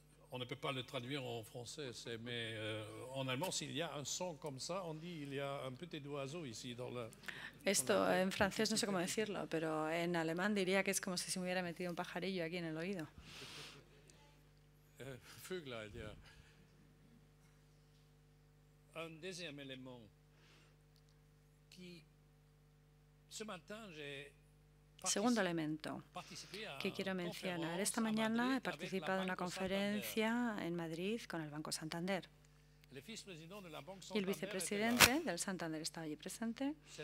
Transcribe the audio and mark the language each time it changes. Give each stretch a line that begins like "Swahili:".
French: On ne peut pas le traduire en français, mais en allemand, s'il y a un son comme ça, on dit il y a un petit oiseau ici dans la.
Spanish: Esto en francés no sé cómo decirlo, pero en alemán diría que es como si se me hubiera metido un pajarillo aquí en el oído.
German: Vöglein, ja.
French: Un deuxième élément qui ce matin j'ai.
Spanish: Segundo elemento que quiero mencionar. Esta mañana he participado en una conferencia en Madrid con el Banco Santander. Y el vicepresidente del Santander estaba allí presente.